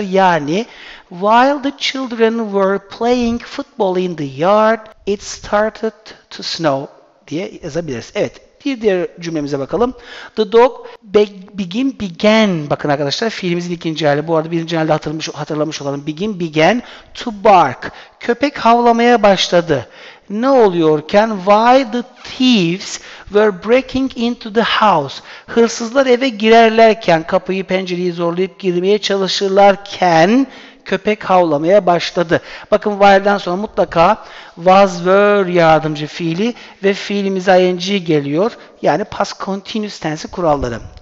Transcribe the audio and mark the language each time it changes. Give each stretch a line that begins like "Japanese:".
English: Yani while the children were playing football in the yard, it started to snow
Turkish: diye yazabiliriz. Evet, bir diğer cümlemize bakalım.
English: The dog began.
Turkish: Bakın arkadaşlar fiilimizin ikinci hali. Bu arada birinci halde hatırlamış olalım.
English: Began to bark.
Turkish: Köpek havlamaya başladı. Ne oluyorken?
English: While the thieves were breaking into the house.
Turkish: Hırsızlar eve girerlerken, kapıyı pencereyi zorlayıp girmeye çalışırlarken köpek havlamaya başladı. Bakın while'den sonra mutlaka was were yardımcı fiili ve fiilimiz ing geliyor. Yani past continuous tense kuralları.